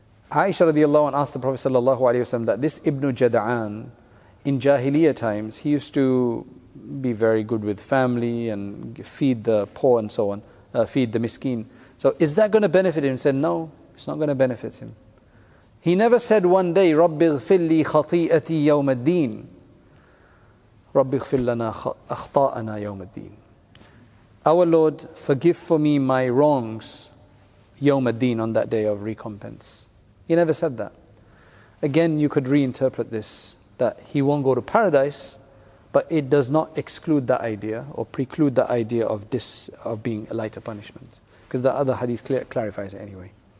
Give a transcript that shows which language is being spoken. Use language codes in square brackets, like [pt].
[en] Aisha radiallahu anha asked the Prophet sallallahu alayhi wa sallam that this Ibn Jad'an, in Jahiliyyah times, he used to be very good with family and feed the poor and so on, feed the miskeen. So is that going to benefit him? He said, no. It's not going to benefit him. He never said one day, [ar] رَبِّ اغْفِرْ لِي خَطِيئَتِي يَوْمَ الدِّينِ رَبِّ اغْفِرْ لَنَا أَخْطَاءَنَا يَوْمَ الدِّينِ. [en] Our Lord, forgive for me my wrongs, [ar] يَوْمَ الدِّينِ, [en] on that day of recompense. He never said that. Again, you could reinterpret this, that he won't go to paradise, but it does not exclude that idea or preclude the idea of being a lighter punishment. Because the other hadith clarifies it anyway.